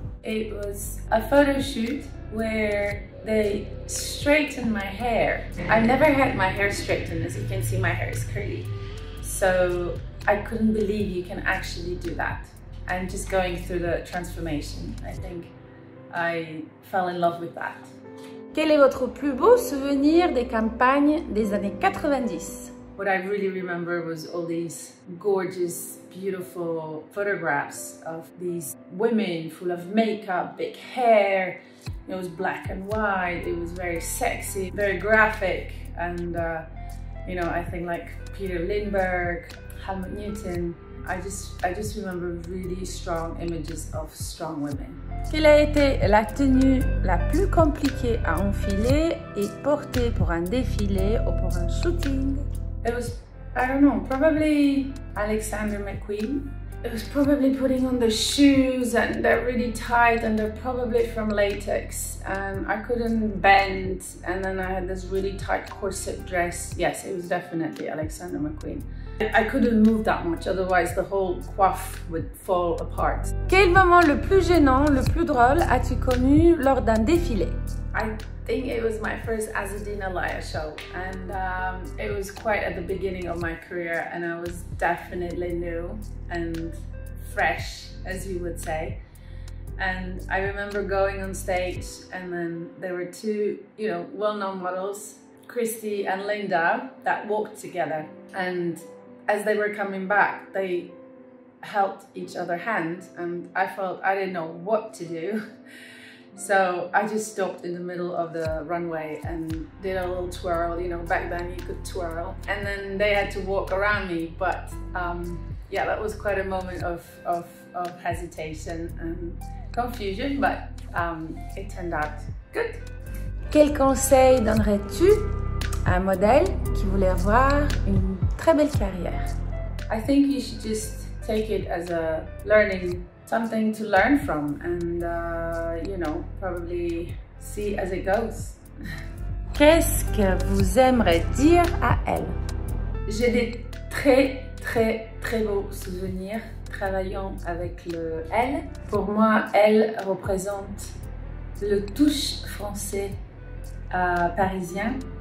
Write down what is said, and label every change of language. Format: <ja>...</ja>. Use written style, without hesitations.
<en>It was a photo shoot where they straightened my hair. I've never had my hair straightened, as you can see, my hair is curly. So I couldn't believe you can actually do that. And just going through the transformation, I think I fell in love with that.</en> <fr>Quel est votre plus beau souvenir des campagnes des années 90?</fr> <en>What I really remember was all these gorgeous, beautiful photographs of these women full of makeup, big hair. It was black and white. It was very sexy, very graphic. And, you know, I think like Peter Lindbergh, Helmut Newton. I just remember really strong images of strong women.</en> <fr>Quelle a été la tenue la plus compliquée à enfiler et porter pour un défilé ou pour un shooting?</fr> <en>It was, I don't know, probably Alexander McQueen. It was probably putting on the shoes and they're really tight and they're probably from latex. And I couldn't bend and then I had this really tight corset dress. Yes, it was definitely Alexander McQueen. I couldn't move that much, otherwise the whole coif would fall apart.</en> <fr>Quel moment le plus gênant, le plus drôle as-tu connu lors d'un défilé?</fr> <en>I think it was my first Azzedine Alaïa show and it was quite at the beginning of my career and I was definitely new and fresh, as you would say. And I remember going on stage and then there were two, you know, well-known models, Christy and Linda, that walked together. And as they were coming back, they held each other's hand and I felt I didn't know what to do. So I just stopped in the middle of the runway and did a little twirl. You know, back then you could twirl. And then they had to walk around me. But yeah, that was quite a moment of hesitation and confusion, but it turned out good.</en> <fr>Quel conseil donnerais-tu à un modèle qui voulait avoir une très belle carrière?</fr> <en>I think you should just take it as a learning, something to learn from and, you know, probably see as it goes.</en> <fr>Qu'est-ce que vous aimeriez dire à elle? J'ai des très, très, très beaux souvenirs travaillant avec le Elle. Pour moi, Elle représente le touche français parisien.</fr>